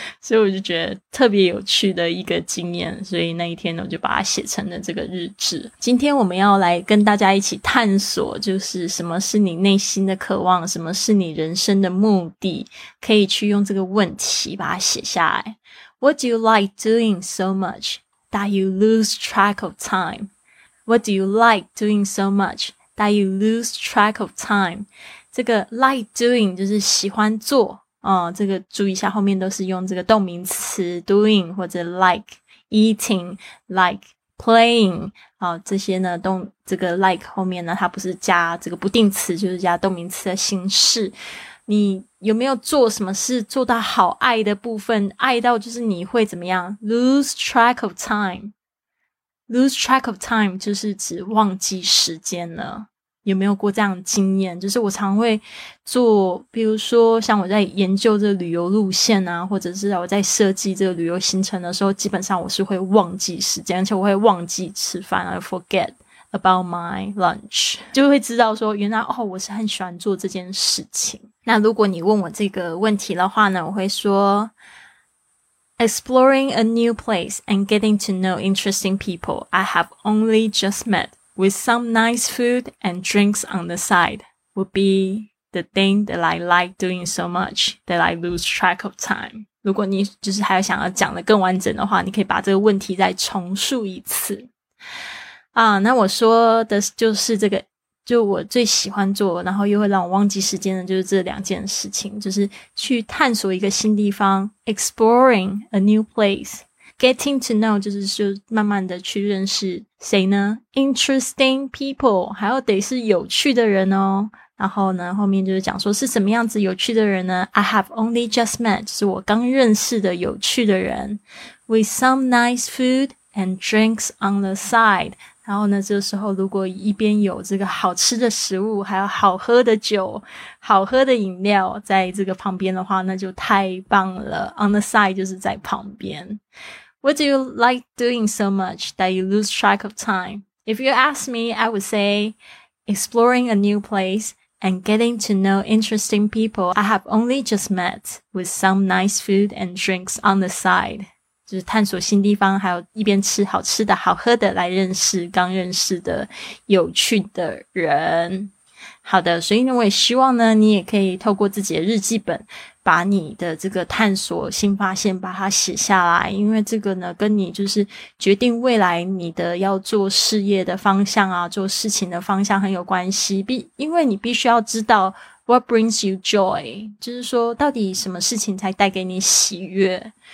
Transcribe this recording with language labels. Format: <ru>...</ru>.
<zh>所以我就觉得特别有趣的一个经验，所以那一天我就把它写成了这个日志。今天我们要来跟大家一起探索，就是什么是你内心的渴望，什么是你人生的目的，可以去用这个问题把它写下来。</zh> <en>What do you like doing so much that you lose track of time? What do you like doing so much that you lose track of time?</en> <zh>这个 like doing 就是喜欢做啊、嗯，这个注意一下，后面都是用这个动名词 doing 或者 like eating、like playing 啊、嗯，这些呢动这个 like 后面呢，它不是加这个不定词，就是加动名词的形式。你有没有做什么事做到好爱的部分，爱到就是你会怎么样 lose track of time？ lose track of time 就是指忘记时间了。有没有过这样的经验？就是我常会做，比如说像我在研究这个旅游路线啊，或者是我在设计这个旅游行程的时候，基本上我是会忘记时间，而且我会忘记吃饭， I forget about my lunch，就会知道说原来哦，我是很喜欢做这件事情。</zh> <en>那如果你问我这个问题的话呢，我会说 Exploring a new place and getting to know interesting people I have only just metWith some nice food and drinks on the side would be the thing that I like doing so much that I lose track of time.</en> <zh>如果你就是还有想要讲的更完整的话，你可以把这个问题再重述一次。啊、那我说的就是这个，就我最喜欢做然后又会让我忘记时间的就是这两件事情，就是去探索一个新地方， exploring a new place， getting to know 就是就慢慢的去认识谁呢 interesting people 还有得是有趣的人哦然后呢后面就是讲说是什么样子有趣的人呢 I have only just met 就是我刚认识的有趣的人 with some nice food and drinks on the side 然后呢这个时候如果一边有这个好吃的食物还有好喝的酒好喝的饮料在这个旁边的话那就太棒了 on the side 就是在旁边 What do you like doing so much that you lose track of time?</zh> <en>If you ask me, I would sayExploring a new place and getting to know interesting people I have only just met with some nice food and drinks on the side.</en> <zh>就是探索新地方还有一边吃好吃的好喝的来认识刚认识的有趣的人。好的所以呢我也希望呢你也可以透过自己的日记本把你的这个探索新发现把它写下来因为这个呢跟你就是决定未来你的要做事业的方向啊做事情的方向很有关系因为你必须要知道 what brings you joy 就是说到底什么事情才带给你喜悦</zh>